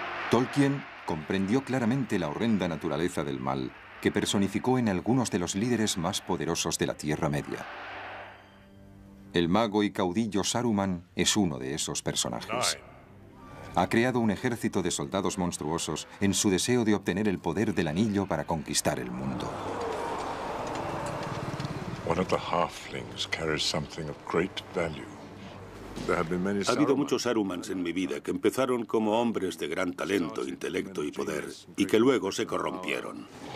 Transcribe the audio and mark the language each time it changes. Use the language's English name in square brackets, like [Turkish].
[Spanish] Tolkien comprendió claramente la horrenda naturaleza del mal que personificó en algunos de los líderes más poderosos de la Tierra Media. El mago y caudillo Saruman es uno de esos personajes. Ha creado un ejército de soldados monstruosos en su deseo de obtener el poder del anillo para conquistar el mundo. [English] One of the halflings carries something of great value. [Spanish] Ha habido muchos Sarumans en mi vida que empezaron como hombres de gran talento, intelecto y poder, y que luego se corrompieron.